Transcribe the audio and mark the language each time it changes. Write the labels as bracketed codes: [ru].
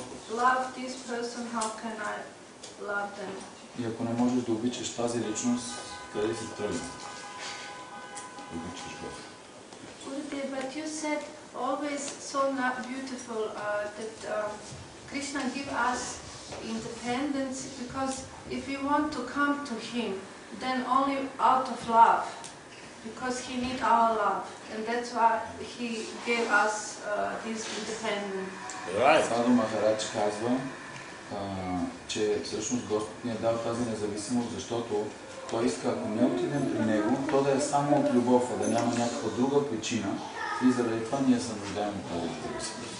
[en] Love this person, how can I love them? [bg] И ако не можеш да обичаш тази личност, къде си тръгна? Обичаш Бог. [en] Guru, but you said always so beautiful that Krishna give us independence because if we want to come to him, then only out of love, because he need our love, and that's why he gave us his independence. Right. [bg] Sadhu Maharaj казва, че всъщност Господ ни е дал тази независимост, защото Той иска, ако не отидем при Него, то да е само от любов, а да няма някаква друга причина и заради това ние се нуждаем от тази